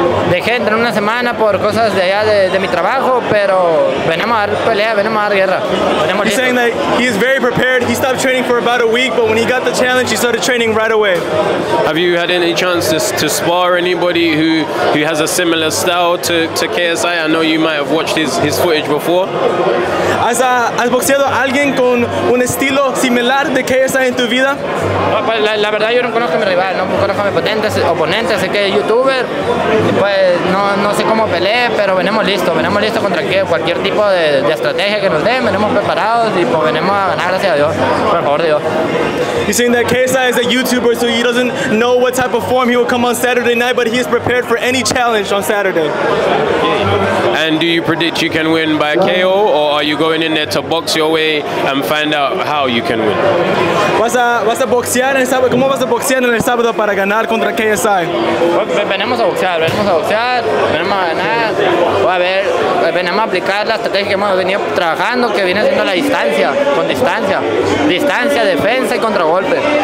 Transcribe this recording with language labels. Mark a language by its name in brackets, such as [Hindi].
[Spanish] Dejé de entrenar una semana por cosas de allá de mi trabajo, pero venimos a dar pelea, venimos a dar guerra. Venimos listo. [English] He's saying that he is very prepared. He stopped training for about a week, but when he got the challenge, he started training right away. Have you had any chance to spar anybody who has a similar style to KSI? I know you might have watched his footage before. [Spanish] ¿Has boxeado alguien con un estilo similar de KSI en tu vida? La verdad yo no conozco a mi rival, no conozco a mi oponente, sé que es youtuber, pues no sé cómo pelear, pero venimos listos contra cualquier tipo de estrategia que nos den, venimos preparados y pues venimos a ganar, gracias a Dios, por favor de Dios. [English] You're saying that KSI is a youtuber, so he doesn't know what type of form he will come on Saturday night, but he is prepared for any challenge on Saturday. And do you predict you can win by KO, or are you going in there to box your way and find out how you can win? [Spanish] ¿Vas a boxear el sábado? ¿Cómo vas a boxear en el sábado para ganar contra KSI? Venimos a boxear, venimos a ganar. O a ver, venimos a aplicar la estrategia que hemos venido trabajando, que viene siendo la distancia, con distancia. Distancia, defensa y contragolpe.